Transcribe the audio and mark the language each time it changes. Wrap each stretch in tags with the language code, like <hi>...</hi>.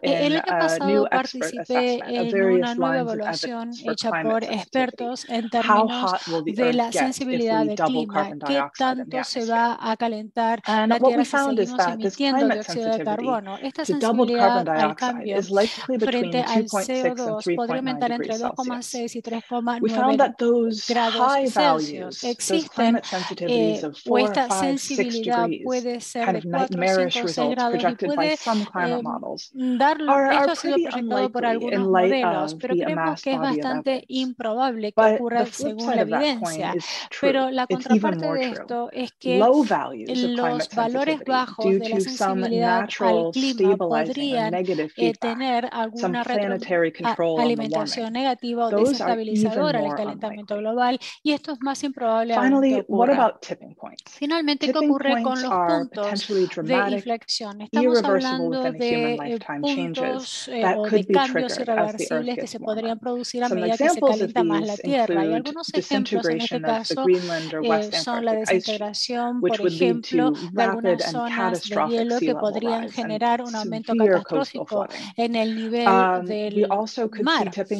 <es>El año pasado participé en una nueva evaluación hecha por expertos en términos de la sensibilidad del clima. ¿Qué tanto se va a calentar la Tierra si seguimos emitiendo dióxido de carbono? Esta sensibilidad</es> <en>carbon dioxide is likely between 2.6 and 3.9 degrees Celsius. We found that those high values, those climate sensitivities of 4, 5, 6 degrees, kind of nightmarish results projected by some climate models, are pretty unlikely in light of the amassed body of evidence. But the flip side of that coin is true. It's even more true. Low values of climate sensitivity due to some natural stabilizing and negative feedback, some planetary control on the warming, those are even more unlikely. Finally, what about tipping points?</en> <es>Finalmente, ¿qué ocurre con los puntos de inflexión? Estamos hablando de puntos o de cambios irreversibles que se podrían producir a medida que se calienta más la Tierra. Y algunos ejemplos en este caso son la desintegración, por ejemplo, de algunas zonas de hielo que podrían generar un aumento catastrófico en el nivel del mar.</es>